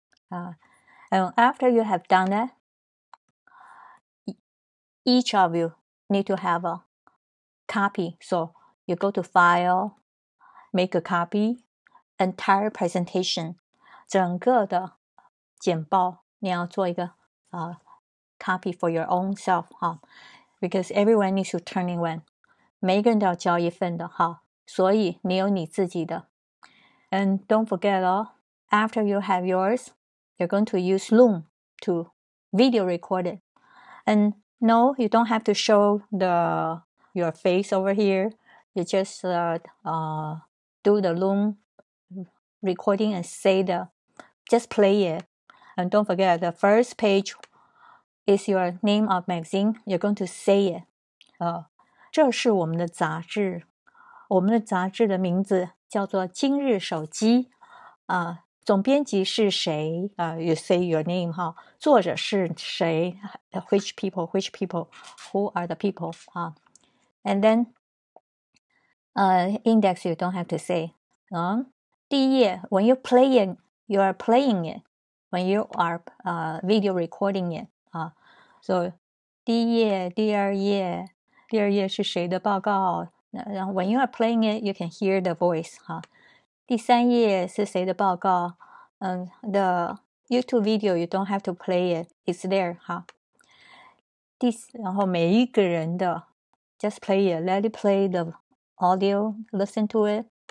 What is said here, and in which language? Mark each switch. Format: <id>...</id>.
<en>And after you have done that, each of you need to have a copy. So you go to File, make a copy, entire presentation,</en> <zh>整个的简报, 你要做一个,</zh> <en>copy for your own self, because everyone needs to turn in one.</en> <zh>每个人都要交一份的, 所以你有你自己的.</zh> <en>And don't forget, after you have yours, you're going to use Loom to video record it. And no, you don't have to show your face over here. You just do the Loom recording and say the, just play it. And don't forget, the first page is your name of magazine. You're going to say it.</en> <zh>这是我们的杂志。我们的杂志的名字叫做今日手机。总编辑是谁?</zh> <en>You say your name.</en> <zh>作者是谁?</zh> <en>Which people? Who are the people? And then, index you don't have to say.</en> <zh>第一页,</zh> <en>when you're playing, you are playing it. When you are video recording it.</en> <zh>So, 第一页, 第二页, 第二页是谁的报告?</zh> <en>When you are playing it, you can hear the voice.</en> <zh>第三页是谁的报告?</zh> <en>The YouTube video, you don't have to play it. It's there.</en> <zh>然后每一个人的,</zh> <en>just play it. Let it play the audio. Listen to it.</en>